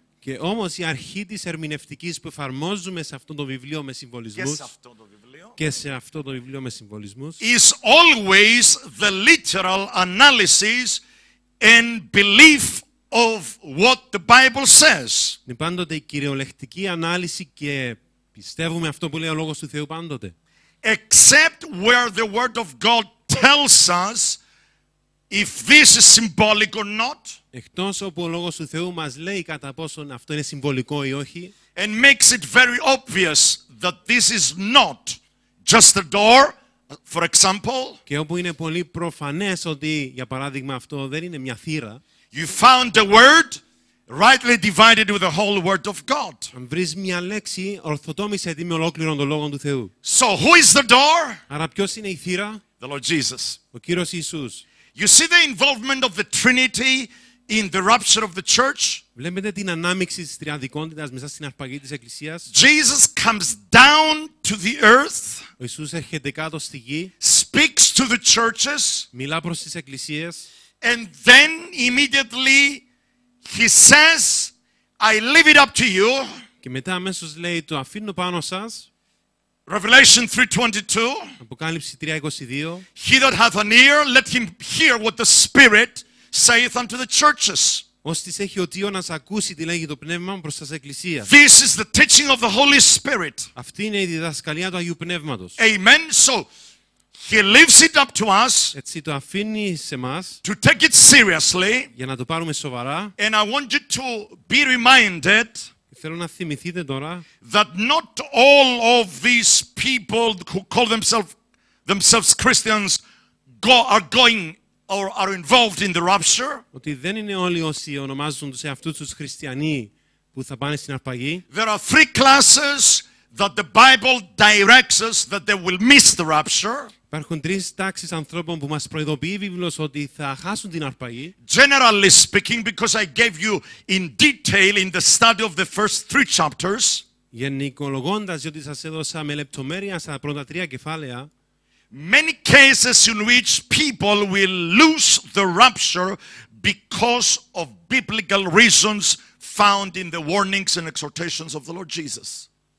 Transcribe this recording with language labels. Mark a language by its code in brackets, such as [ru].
[el] Και όμως η αρχή της ερμηνευτικής που εφαρμόζουμε σε αυτό το βιβλίο με συμβολισμούς. Και σε αυτό το βιβλίο με συμβολισμούς. [en] Is always the literal analysis and belief of what the Bible says. [el] Είναι πάντοτε η κυριολεκτική ανάλυση και πιστεύουμε αυτό που λέει ο Λόγος του Θεού πάντοτε. [en] Except where the Word of God tells us if this is symbolic or not. [el] Εκτός όπου ο Λόγος του Θεού μας λέει κατά πόσον αυτό είναι συμβολικό ή όχι. [en] And makes it very obvious that this is not just a door, for example. [el] Και όπου είναι πολύ προφανές ότι, για παράδειγμα, αυτό δεν είναι μια θύρα. [en] You found a word rightly divided with the whole Word of God. [el] Αν βρεις μια λέξη, ορθοτόμησε τη με ολόκληρον τον Λόγο του Θεού. [en] So who is the door? [el] Άρα ποιος είναι η θύρα? [en] The Lord Jesus. [el] Ο Κύριος Ιησούς. [en] You see the involvement of the Trinity in the rupture of the church. [el] Βλέπετε την ανάμιξη της τριαδικότητας μέσα στην αρπαγή της Εκκλησίας. [en] Jesus comes down to the earth. [el] Ο Ιησούς έρχεται κάτω στη γη. [en] Speaks to the churches. [el] Μιλά προς τις εκκλησίες. [en] And then immediately he says I leave it up to you. [el] Και μετά αμέσως λέει, το αφήνω πάνω σας. [en] Revelation 3:22. [el] Αποκάλυψη 3:22. [en] He that hath an ear, let him hear what the Spirit saith unto the churches. [el] Όστις έχει οτίο να ακούσει τι λέγει το Πνεύμα προς τα εκκλησία. [en] This is the teaching of the Holy Spirit. [el] Αυτή είναι η διδασκαλία του Αγίου Πνεύματος. [en] Amen. So he leaves it up to us. [el] Έτσι το αφήνει σε μας. [en] To take it seriously. [el] Για να το πάρουμε σοβαρά. [en] And I want you to be reminded. [el] Θέλω να θυμηθείτε τώρα. [en] That not all of these people who call themselves Christians are going. Or are involved in the rapture. [el] Ότι δεν είναι όλοι όσοι ονομάζουν τους εαυτούς τους χριστιανοί που θα πάνε στην αρπαγή. [en] There are three classes that the Bible directs us that they will miss the rapture. [el] Υπάρχουν τρεις τάξεις ανθρώπων που μας προειδοποιεί η Βίβλος ότι θα χάσουν την αρπαγή. [en] Generally speaking, because I gave you in detail in the study of the first three chapters. [el] Γενικολογώντας, διότι σας έδωσα με λεπτομέρεια στα πρώτα τρία κεφάλαια. [en] Many cases in which people will lose the rapture because of biblical reasons found in the warnings and exhortations of the Lord Jesus.